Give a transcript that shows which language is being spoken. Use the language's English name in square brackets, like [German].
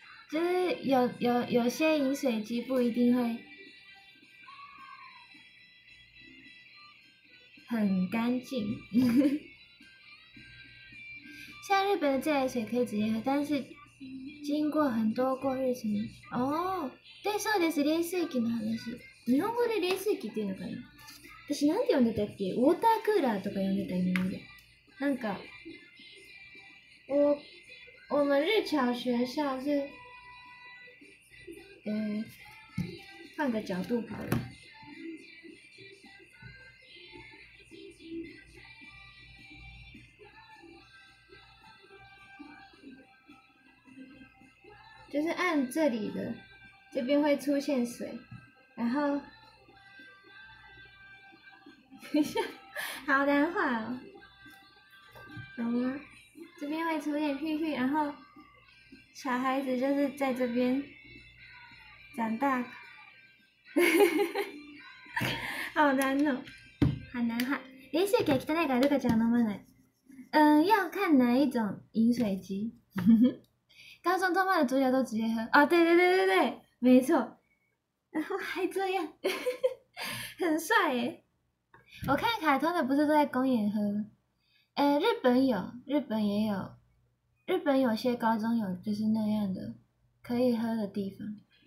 [Chinese] 就是有些饮水机不一定会很干净。像日本的自来水可以直接喝，但是经过很多过滤程序。哦，对， [Japanese] そうです。冷水器の話。日本語で冷水器っていうのかな。私なんて呼んでたっけ。ウォータークーラーとか呼んでた日本で。なんか、 [Chinese] 我们日侨学校是，换个角度好了。就是按这里的，这边会出现水，然后等一下，好难画哦，懂吗？这边会出现屁屁，然后小孩子就是在这边长大，好难哦，好难画。 [Japanese] 冷水器汚いからルカちゃん飲まない。 [Chinese] 要看哪一种饮水机。高中动漫的主角都直接喝啊！对对对对对，没错。然后还这样，很帅耶！我看卡通的不是都在公园喝？日本有，日本也有，日本有些高中有就是那样的可以喝的地方。